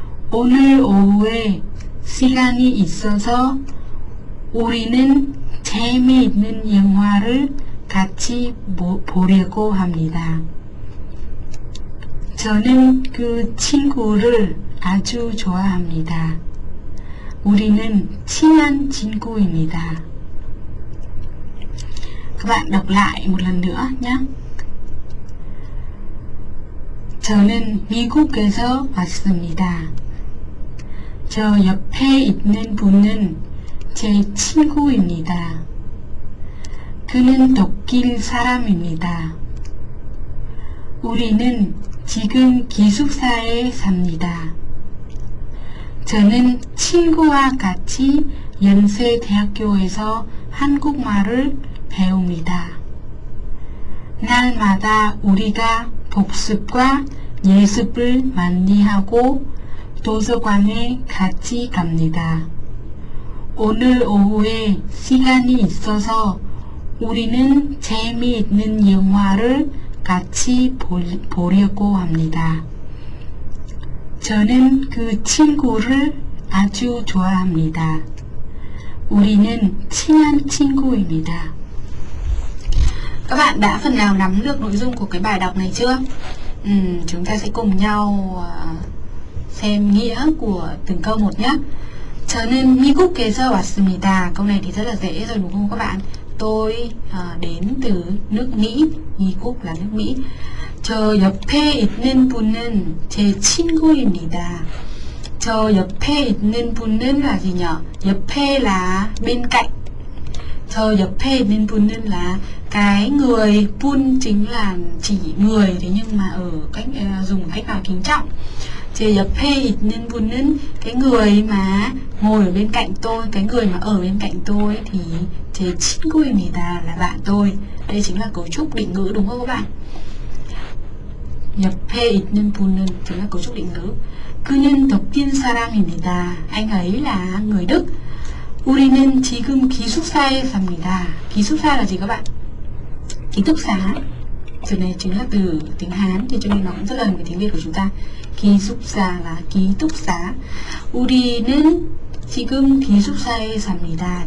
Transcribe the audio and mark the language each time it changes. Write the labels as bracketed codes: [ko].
[ko] 오늘 오후에 시간이 있어서 우리는 재미있는 영화를 같이 보려고 합니다. 저는 그 친구를 아주 좋아합니다. 우리는 친한 친구입니다. [vi] Các bạn đọc lại một lần nữa nhé. [ko] 저는 미국에서 왔습니다. 저 옆에 있는 분은 제 친구입니다. 그는 독일 사람입니다. 우리는 지금 기숙사에 삽니다. 저는 친구와 같이 연세대학교에서 한국말을 배웁니다. 날마다 우리가 복습과 예습을 많이 하고 도서관을 같이 갑니다. 오늘 오후에 시간이 있어서 우리는 재미있는 영화를 같이 보려고 합니다. 저는 그 친구를 아주 좋아합니다. 우리는 친한 친구입니다. [vi] Các bạn đã phần nào nắm được nội dung của cái bài đọc này chưa? Chúng ta sẽ cùng nhau xem nghĩa của từng câu một nhé. [ko] 저는 미국에서 왔습니다. [vi] Câu này thì rất là dễ rồi đúng không các bạn? Tôi đến từ nước Mỹ, Miguk là nước Mỹ. [ko] 저 옆에 있는 분은 제 친구입니다. 저 옆에 있는 분은 [vi] là gì nhỉ? [ko] 옆에 [vi] là bên cạnh. [ko] 저 옆에 있는 분은 [vi] là cái người, [ko] 분 [vi] chính là chỉ người, thế nhưng mà ở cách dùng cách nào kính trọng. [ko] 제 옆에 있는 분은 [vi] cái người mà ngồi ở bên cạnh tôi, cái người mà ở bên cạnh tôi thì [ko] 제 친구입니다 [vi] là bạn tôi. Đây chính là cấu trúc định ngữ đúng không các bạn? [ko] 옆에 있는 분은 [vi] chính là cấu trúc định ngữ. [ko] 그는 독일 사람입니다. [vi] Anh ấy là người Đức. [ko] 우리는 지금 기숙사에 삽니다. 기숙사 [vi] là gì các bạn? Ký túc xá. Từ này chính là từ tiếng Hán, thì cho nên nó cũng rất gần với tiếng Việt của chúng ta. Ký túc xá là ký túc xá. [ko] 우리는 지금 기숙사에 삽니다.